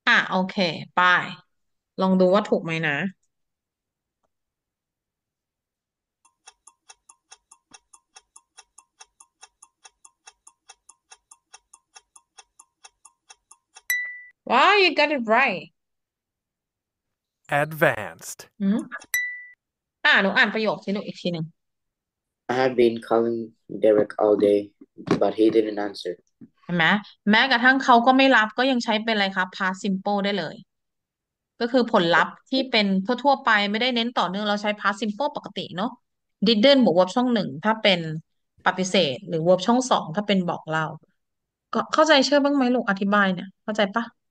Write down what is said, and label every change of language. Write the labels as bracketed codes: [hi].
[th] โอเคไปลองดูว่าถูกไหมนะว้าว [en] you got it right Advanced. [th] หนูอ่านประโยคที่หนูอีกทีหนึ่ง [en] I have been calling Derek all day, but he didn't answer. [th] เห็นไหมแม้กระทั่งเขาก็ไม่รับก็ยังใช้เป็นอะไรครับ past simple ได้เลยก็คือผลลัพธ์ที่เป็นทั่วๆไปไม่ได้เน้นต่อเนื่องเราใช้ past simple ปกติเนาะ didn't บวก verb ช่องหนึ่งถ้าเป็นปฏิเสธหรือ verb ช่องสองถ้าเป็นบอกเราก็เข้าใจเชื่อบ้างไหมลูกอธิบายเนี่ยเข้าใจปะ